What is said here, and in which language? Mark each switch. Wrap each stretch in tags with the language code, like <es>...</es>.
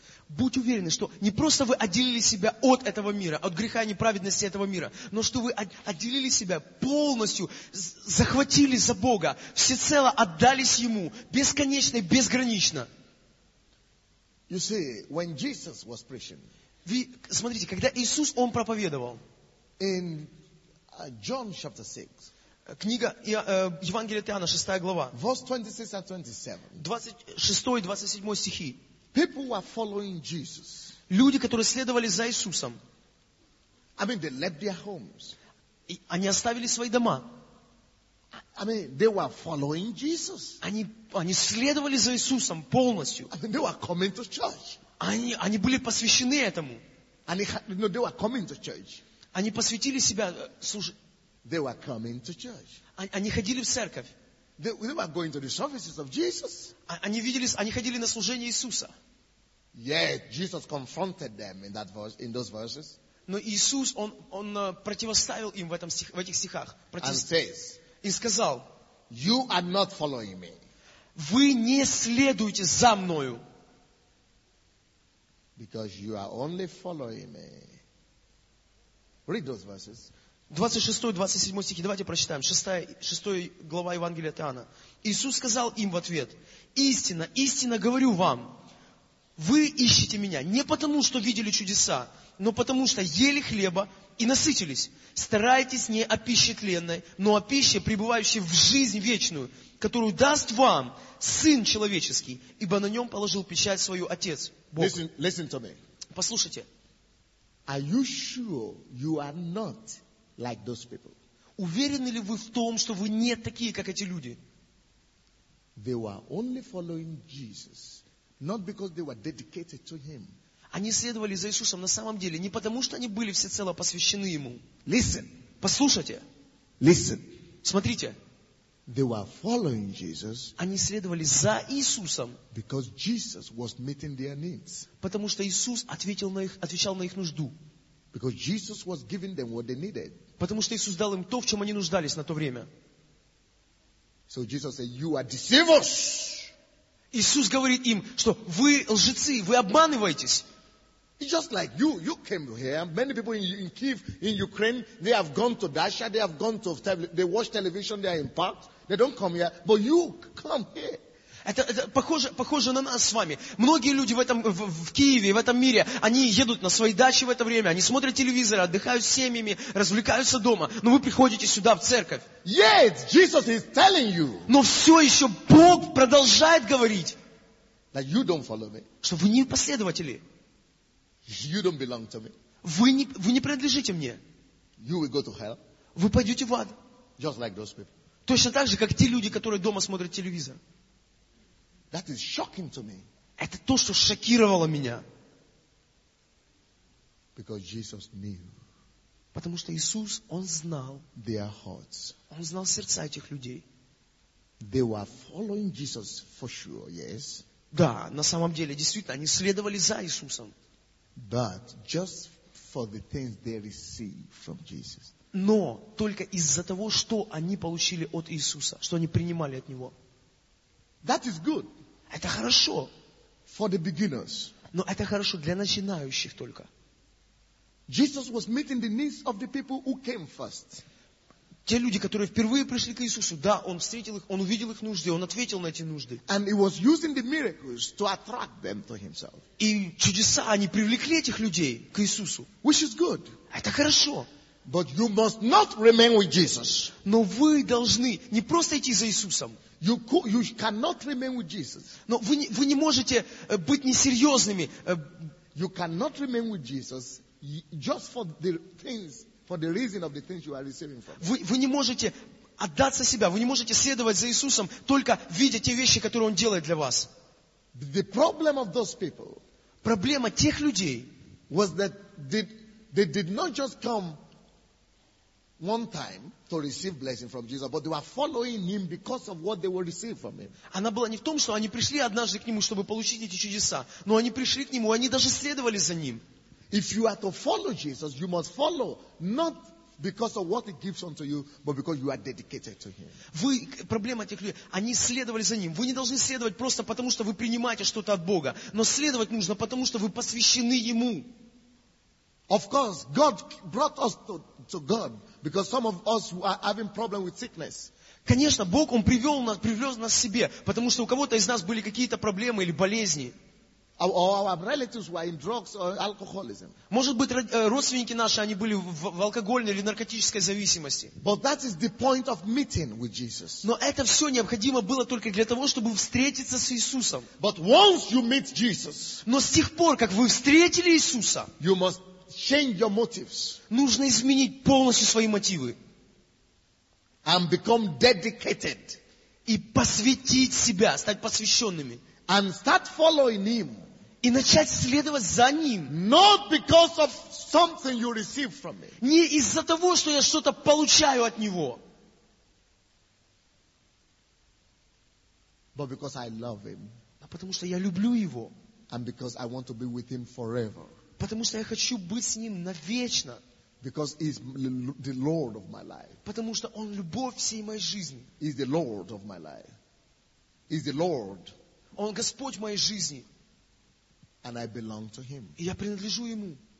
<ru>Будь уверены, что не просто вы отделили себя от этого мира, от греха и неправедности этого мира, но что вы отделили себя полностью, захватили за Бога, всецело отдались Ему, бесконечно и безгранично.</ru> <en>You see, when Jesus was preaching,</en> <ru>вы смотрите, когда Иисус, Он проповедовал,</ru> <en>in John chapter 6,</en> <ru>книга Евангелия Иоанна, 6 глава, 26 и 27 стихи.</ru> <en>People were following Jesus.</en> <ru>Люди, которые следовали за Иисусом.</ru> <en>I mean, they left their homes.</en> <ru>И они оставили свои дома.</ru> <en>I mean, they were following Jesus.</en> <ru>Они следовали за Иисусом полностью.</ru> <en>I mean, they were coming to church.</en> <ru>Они были посвящены этому.</ru> <en>They were coming to church.</en> <ru>Они посвятили себя служению.</ru> <en>They were coming to church.</en> <ru>Они ходили в церковь.</ru> <en>They were going to the services of Jesus.</en> <ru>Они ходили на служение Иисуса.</ru> <en>Yeah, Jesus confronted them in that verse, in those verses.</en> <ru>Но Иисус, он противоставил им в этих стихах.</ru> <en>And says,</en> <ru>и сказал,</ru> <en>you are not following me.</en> <ru>Вы не следуете за мною.</ru> <en>Because you are only following me. Read those verses.</en> <ru>26-27 стихи, давайте прочитаем. 6 глава Евангелия от Иоанна. Иисус сказал им в ответ: «Истинно, истинно говорю вам, вы ищете меня не потому, что видели чудеса, но потому, что ели хлеба и насытились. Старайтесь не о пище тленной, но о пище, пребывающей в жизнь вечную, которую даст вам Сын Человеческий, ибо на нем положил печать свою Отец Бог».</ru> <en>Listen to me.</en> <ru>Послушайте.</ru> <en>Are you sure you are not like those people?</en> <ru>Уверены ли вы в том, что вы не такие, как эти люди?</ru> <en>They were only following Jesus, not because they were dedicated to him.</en> <ru>Они следовали за Иисусом на самом деле не потому, что они были всецело посвящены ему.</ru> <en>Listen.</en> <ru>Послушайте.</ru> <en>Listen.</en> <ru>Смотрите.</ru> <en>They were following Jesus.</en> <ru>Они следовали за Иисусом.</ru> <en>Because Jesus was meeting their needs.</en> <ru>Потому что Иисус отвечал на их нужду.</ru> <en>Because Jesus was giving them what they needed.</en> <ru>Потому что Иисус дал им то, в чем они нуждались на то время.</ru> <en>So Jesus said, "You are deceivers."</en> <ru>Иисус говорит им, что вы лжецы, вы обманываетесь.</ru> <en>It's just like you. You came here. Many people in Kyiv, in Ukraine, they have gone to Dasha, they have gone to they watch television, they are in parks. They don't come here, but you come here.</en> <ru>Это похоже на нас с вами. Многие люди в Киеве, в этом мире, они едут на свои дачи в это время, они смотрят телевизор, отдыхают с семьями, развлекаются дома, но вы приходите сюда, в церковь.</ru> <en>Yet, Jesus is telling you,</en> <ru>но все еще Бог продолжает говорить,</ru> <en>that you don't follow me,</en> <ru>что вы не последователи.</ru> <en>You don't belong to me.</en> <ru>Вы не принадлежите мне.</ru> <en>You will go to hell.</en> <ru>Вы пойдете в ад.</ru> <en>Just like those people.</en> <ru>Точно так же, как те люди, которые дома смотрят телевизор.</ru> <en>That is shocking to me.</en> <ru>Это то, что шокировало меня.</ru> <en>Because Jesus knew.</en> <ru>Потому что Иисус, Он знал.</ru> <en>Their hearts.</en> <ru>Он знал сердца этих людей.</ru> <en>They were following Jesus for sure, yes.</en> <ru>Да, на самом деле, действительно, они следовали за Иисусом.</ru> <en>But just for the things they received from Jesus.</en> <ru>Но только из-за того, что они получили от Иисуса, что они принимали от Него.</ru> <en>That is good.</en> <ru>Это хорошо.</ru> <en>For the beginners.</en> <ru>Но это хорошо для начинающих только.</ru> <en>Jesus was meeting the needs of the people who came first.</en> <ru>Те люди, которые впервые пришли к Иисусу, да, Он встретил их, Он увидел их нужды, Он ответил на эти нужды.</ru> <en>And he was using the miracles to attract them to himself.</en> <ru>И чудеса, они привлекли этих людей к Иисусу.</ru> <en>Which is good.</en> <ru>Это хорошо.</ru> <en>But you must not remain with Jesus.</en> <ru>Но вы должны не просто идти за Иисусом.</ru> <en>You cannot remain with Jesus.</en> <ru>Но вы не можете быть несерьезными.</ru> <en>You cannot remain with Jesus just for the things, for the reason of the things you are receiving from.</en> <ru>Вы не можете отдаться себя. Вы не можете следовать за Иисусом только видя те вещи, которые Он делает для вас.</ru> <en>The problem of those people.</en> <ru>Проблема тех людей.</ru> <en>Was that they did not just come one time to receive blessing from Jesus, but they were following him because of what they were receiving from him.</en> <ru>Она была не в том, что они пришли однажды к нему, чтобы получить эти чудеса, но они пришли к нему, они даже следовали за ним.</ru> <en>If you are to follow Jesus, you must follow not because of what he gives unto you, but because you are dedicated to him.</en> <ru>Вы проблема тех людей, они следовали за ним. Вы не должны следовать просто потому, что вы принимаете что-то от Бога, но следовать нужно потому, что вы посвящены ему.</ru> <en>Of course, God brought us to God. Because some of us are having problem with sickness.</en> <ru>Конечно, Бог Он привел нас к себе, потому что у кого-то из нас были какие-то проблемы или болезни.</ru> <en>Our relatives were in drugs or alcoholism.</en> <ru>Может быть, родственники наши они были в алкогольной или наркотической зависимости.</ru> <en>But that is the point of meeting with Jesus.</en> <ru>Но это все необходимо было только для того, чтобы встретиться с Иисусом.</ru> <en>But once you meet Jesus,</en> <ru>но с тех пор, как вы встретили Иисуса,</ru> <en>you must change your motives.</en> <ru>Нужно изменить полностью свои мотивы.</ru> <en>And become dedicated.</en> <ru>И посвятить себя, стать посвященными.</ru> <en>And start following him.</en> <ru>И начать следовать за ним.</ru> <en>Not because of something you receive from me.</en> <ru>Не из-за того, что я что-то получаю от него.</ru> <en>But because I love him.</en> <ru>А потому что я люблю его.</ru> <en>And because I want to be with him forever.</en> <ru>Потому что я хочу быть с Ним навечно.</ru> <en>Because he's the Lord of my life.</en> <ru>Потому что Он любовь всей моей жизни.</ru> <en>He's the Lord of my life. He's the Lord.</en> <ru>Он Господь моей жизни.</ru> <en>And I belong to him.</en> <ru>И я принадлежу Ему.</ru>